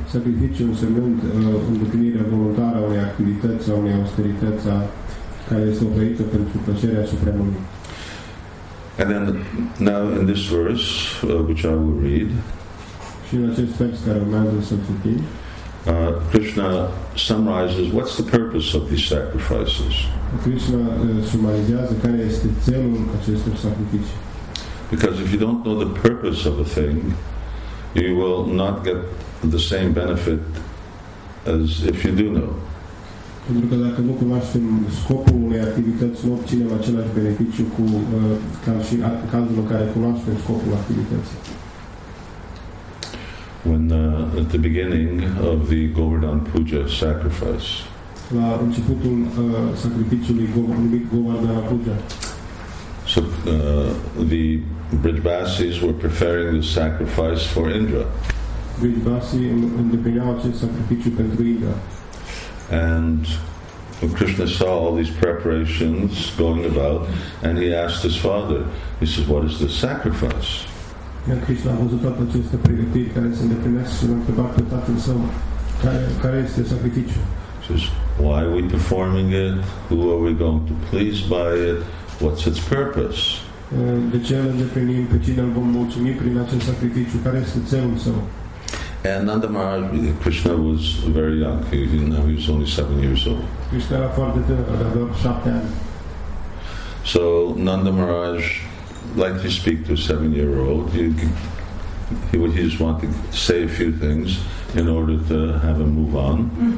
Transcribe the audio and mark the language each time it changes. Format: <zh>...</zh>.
<ro>Sacrificiu însemnând îndeplinirea voluntară a unei activități sau unei austerități care este oferită pentru plăcerea Supremului.</ro> <en>And then, now in this verse, which I will read,</en> <ro>și în acest text care urmează să-l citim,</ro> <en>Krishna summarizes what's the purpose of these sacrifices.</en> <ro>Krishna sumarizează care este țelul acestor sacrificii.</ro> <en>Because if you don't know the purpose of a thing, you will not get the same benefit as if you do know.</en> <ro>Pentru că dacă nu cunoaștem scopul unei activități, nu obținem același beneficiu cu ca și în cazul în care cunoaștem scopul activității.</ro> <en>When at the beginning of the Govardhan Puja sacrifice.</en> <ro>La începutul sacrificiului Govardhan Puja.</ro> <en>So the Brijbasis were preparing the sacrifice for Indra.</en> <ro>Brijbasi îndeplineau acest sacrificiu pentru Indra.</ro> <en>And Krishna saw all these preparations going about, and he asked his father, he says, what is this sacrifice?</en> <ro>Iar Krishna a văzut toate aceste pregătiri care se îndeplinesc și l-a întrebat pe tatăl său, care este sacrificiul?</ro> <en>He says, why are we performing it? Who are we going to please by it? What's its purpose?</en> <ro>De ce îl îndeplinim? Pe cine îl vom mulțumi prin acest sacrificiu? Care este țelul său?</ro> <en>And Nanda Maharaj, Krishna was very young, he was only 7 years old.</en> <ro>Krishna era foarte tânăr, avea doar 7 ani.</ro> <en>So Nanda Maharaj, like you speak to a 7-year-old, he just wanted to say a few things in order to have him move on.</en>